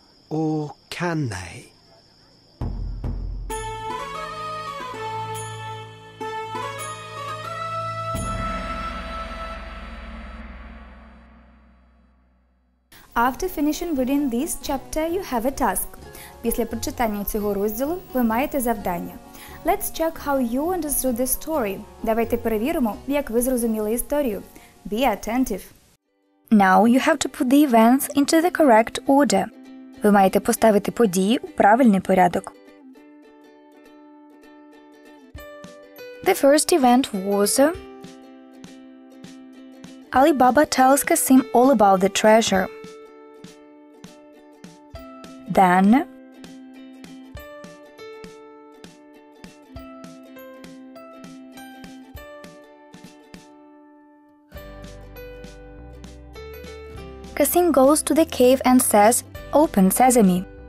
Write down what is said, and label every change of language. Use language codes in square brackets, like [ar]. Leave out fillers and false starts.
[en] Or can they? After finishing reading this chapter, you have a task. [uk] Після прочитання цього розділу ви маєте завдання. [en] Let's check how you understood the story. [uk] Давайте перевіримо, як ви зрозуміли історію. [en] Be attentive. Now you have to put the events into the correct order. [uk] Ви маєте поставити події у правильний порядок. [en] The first event was Ali Baba tells Kasim all about the treasure. Then Kasim goes to the cave and says, "Open Sesame."